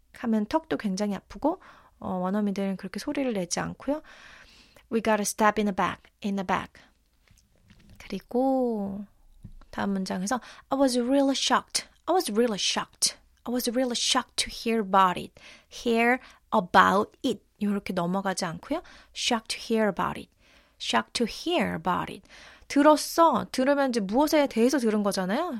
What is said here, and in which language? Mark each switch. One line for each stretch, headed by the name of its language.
Korean: 하면 턱도 굉장히 아프고 원어민들은 그렇게 소리를 내지 않고요.
English: We got a step in the back, in the back.
Korean: 그리고 다음 문장에서
English: I was really shocked. I was really shocked. I was really shocked to hear about it. Hear about it.
Korean: 이렇게 넘어가지 않고요.
English: Shocked to hear about it. Shocked to hear about it.
Korean: 들었어. 들으면 이제 무엇에 대해서 들은 거잖아요.